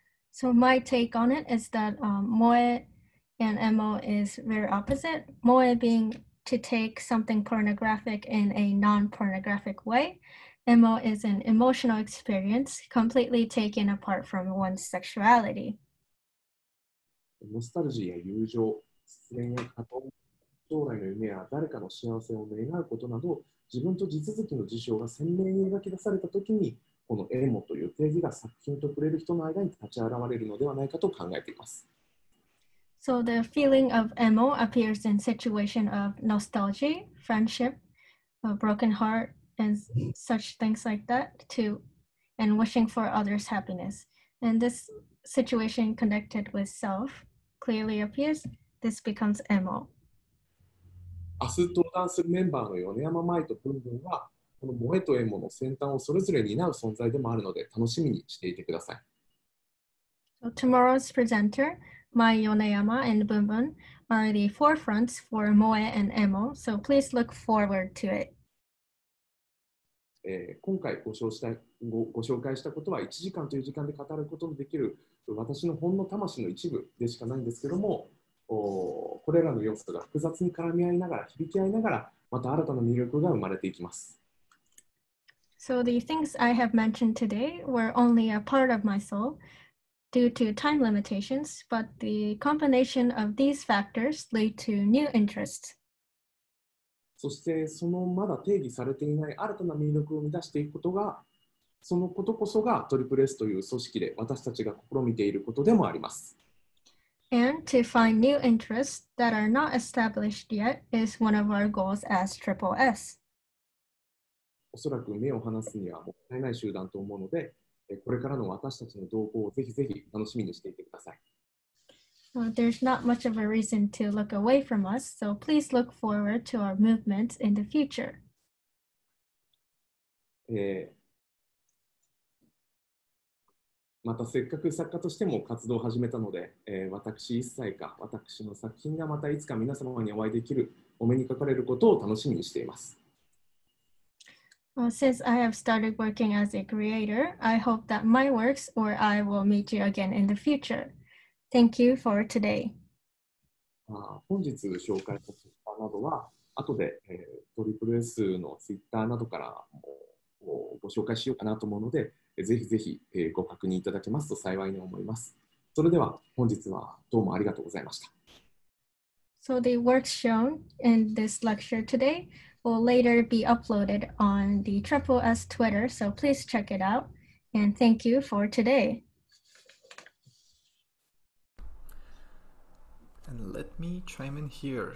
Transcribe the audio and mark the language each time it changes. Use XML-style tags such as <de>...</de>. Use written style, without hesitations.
<en>So my take on it is that moe and emo is very opposite. Moe being to take something pornographic in a non-pornographic way. Emo is an emotional experience completely taken apart from one's sexuality.</en> <ja>ノスタルジーや友情、失恋や過去、将来の夢や誰かの幸せを願うことなど、自分と地続きの事象が鮮明に描き出されたときに、このエモという定義が作品と触れる人の間に立ち現れるのではないかと考えています。</ja> <en>So the feeling of emo appears in situation of nostalgia, friendship, a broken heart,and such things like that too, and wishing for others' happiness. And this situation connected with self clearly appears, this becomes emo.</en> <ja>明日登壇するメンバーの米山舞と文文は、この萌えとエモの先端をそれぞれ担う存在でもあるので、楽しみにしていてください。</ja> <en>So, tomorrow's presenter, Mai Yoneyama and Bunbun, are the forefronts for 萌え and emo, so please look forward to it.</en> <ja>今回ご紹介したことは1時間という時間で語ることのできる私のほんの魂の一部でしかないんですけども、これらの要素が複雑に絡み合いながら、響き合いながら、また新たな魅力が生まれていきます。</ja> <en>So the things I have mentioned today were only a part of my soul due to time limitations, but the combination of these factors lead to new interests.</en> <ja>そしてそのまだ定義されていない新たな魅力を生み出していくことが、そのことこそがトリプル S という組織で私たちが試みていることでもあります。</ja> <en>And to find new interests that are not established yet is one of our goals as Triple S.</en> <ja>おそらく目を離すにはもったいない集団と思うので、これからの私たちの動向をぜひぜひ楽しみにしていてください。</ja> <en>There's not much of a reason to look away from us, so please look forward to our movements in the future.</en> <ja>またせっかく作家としても活動を始めたので、私一切か私の作品がまたいつか皆様にお会いできる、お目にかかれることを楽しみにしています。</ja> <en>Well, since I have started working as a creator, I hope that my works or I will meet you again in the future. Thank you for today.</en> <ja>本日紹介した出版などは後で、SSS のツイッターなどからご紹介しようかなと思うので、ぜひぜひ、ご確認いただけますと幸いに思います。それでは本日はどうもありがとうございました。</ja> <en>So the works shown in this lecture today will later be uploaded on the SSS Twitter, so please check it out. And thank you for today. And let me chime in here.</en>